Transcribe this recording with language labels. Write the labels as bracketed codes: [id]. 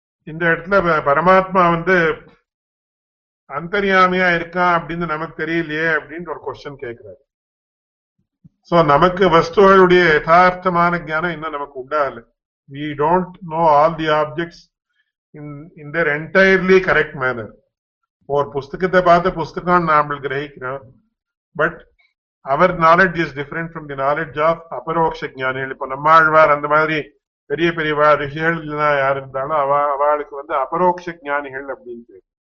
[ta] இந்த இடத்துல பரமாத்மா வந்து அந்தர்யாமியா இருக்கா அப்படின்னு நமக்கு தெரியலையே அப்படின்ட்டு ஒரு க்வெஸ்சன் கேட்கிறாரு. சோ நமக்கு வஸ்துகளுடைய யதார்த்தமான ஜானம் இன்னும் நமக்கு உண்டாது. [en] We don't know all the objects in their entirely correct manner. [ta] ஒரு புஸ்தகத்தை பார்த்து புஸ்தகம் நாம கிரகிக்கிறோம், [en] But அவர் knowledge is different from the knowledge of அபரோக்ஷ ஜானிகள். [ta] இப்ப நம்மாழ்வார் அந்த மாதிரி பெரிய பெரிய ரிஷிகள் எல்லாம் யார் இருந்தாலும் அவளுக்கு வந்து அபரோக்ஷ ஜானிகள் அப்படின்னு.